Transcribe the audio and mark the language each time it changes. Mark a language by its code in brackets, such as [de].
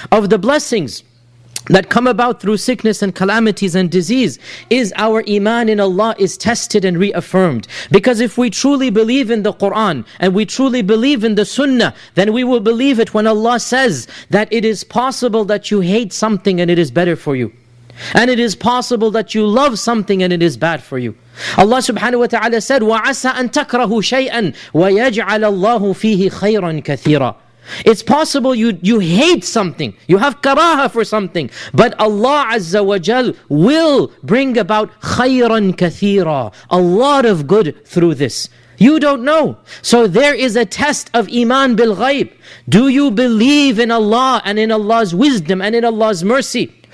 [en] Of the blessings that come about through sickness and calamities and disease is our iman in Allah is tested and reaffirmed. Because if we truly believe in the Quran and we truly believe in the Sunnah, then we will believe it when Allah says that it is possible that you hate something and it is better for you. And it is possible that you love something and it is bad for you. [ar] Allah subhanahu wa ta'ala said, وَعَسَىٰ أَن تَكْرَهُ شَيْئًا وَيَجْعَلَ اللَّهُ فِيهِ خَيْرًا كَثِيرًا. [en] It's possible you hate something, you have karaha for something, but Allah Azza wa Jal will bring about khayran kathira, a lot of good through this. You don't know. So there is a test of iman bil ghayb. Do you believe in Allah and in Allah's wisdom and in Allah's mercy?